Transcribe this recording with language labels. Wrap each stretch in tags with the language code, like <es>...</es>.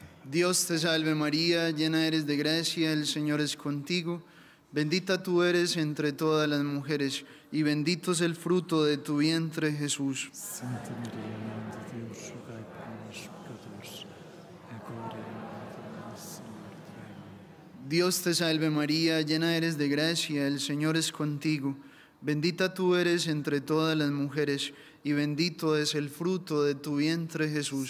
<es>Dios te salve María, llena eres de gracia, el Señor es contigo. Bendita tú eres entre todas las mujeres y bendito es el fruto de tu vientre, Jesús.</es> <pt>Santa María, Mãe de Dios, rogai por nós pecadores, agora e na hora da nossa morte.</pt> <es>Amén. Dios te salve María, llena eres de gracia, el Señor es contigo. Bendita tú eres entre todas las mujeres y bendito es el fruto de tu vientre, Jesús.</es>